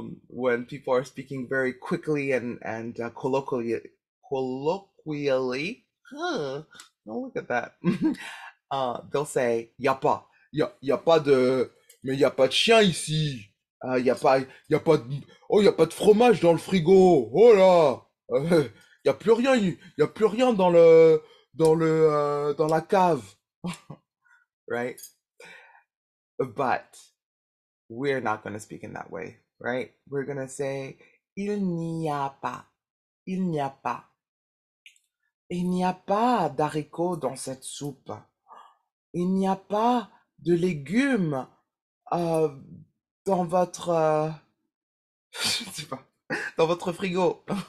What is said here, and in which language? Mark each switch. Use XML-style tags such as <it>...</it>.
<en>When people are speaking very quickly and colloquially, don't look at that. They'll say,</en> <fr>y a pas, y a pas de, mais y a pas de chien ici. Y a pas de, oh, y a pas de fromage dans le frigo. Oh là. Y a plus rien, y a plus rien dans le dans la cave.</fr> <en>Right? But we're not gonna speak in that way, right? We're gonna say</en> <fr>il n'y a pas, il n'y a pas, il n'y a pas d'haricots dans cette soupe, il n'y a pas de légumes dans votre je sais pas, dans votre frigo.</fr>